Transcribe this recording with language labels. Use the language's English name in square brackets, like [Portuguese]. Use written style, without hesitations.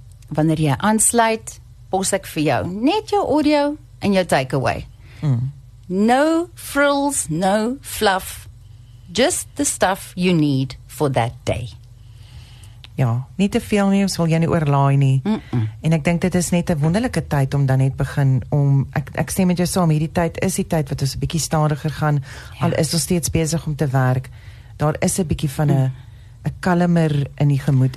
[Afrikaans] Wanneer jy aansluit, pos ek vir jou net jou audio en jou takeaway. [English] Mm. No frills, no fluff. Just the stuff you need for that day. [Afrikaans] Ja, nie te veel nie, ons wil jy nie oorlaai nie. En ek dink dit is net 'n wonderlike tyd om dan net begin om, ek stem met jou saam, hierdie tyd is die tyd wat ons 'n bietjie stadiger gaan, ja. Al is ons steeds besig om te werk. Daar is 'n bietjie van 'n kalmer in die gemoed.